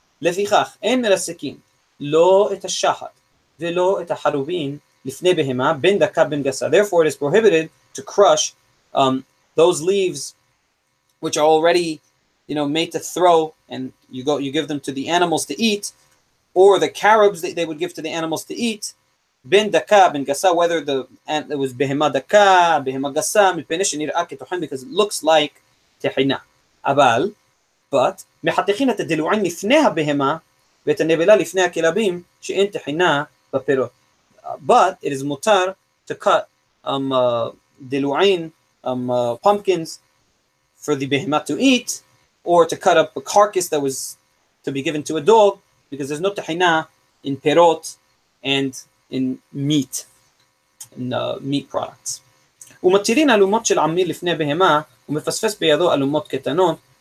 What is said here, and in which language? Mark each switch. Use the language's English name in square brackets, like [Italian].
[Hebrew] לפיכך, אין מרסקים לא את השחת ולא את החרובים לפני בהמה, בין דקה בין גסה. [English] Therefore, it is prohibited to crush those leaves which are already, you know, made to throw, and you give them to the animals to eat, or the carobs that they would give to the animals to eat, בין דקה בין גסה, whether it was בהמה דקה, בהמה גסה, מפני שנראה כתוחן, because it looks like תחינה. [Hebrew] אבל, but, מחתכין את הדלועין לפני הבהמה ואת הנבלה לפני הכלבים שאין תחינה בפירות. [English] But it is mutar to cut דלועין, pumpkins for the behema to eat, or to cut up a carcass that was to be given to a dog, because there's no תחינה in פירות and in meat, in meat products. [Hebrew] ומתירין אלומות של עמיר לפני בהמה ומפספס בידו אלומות קטנות.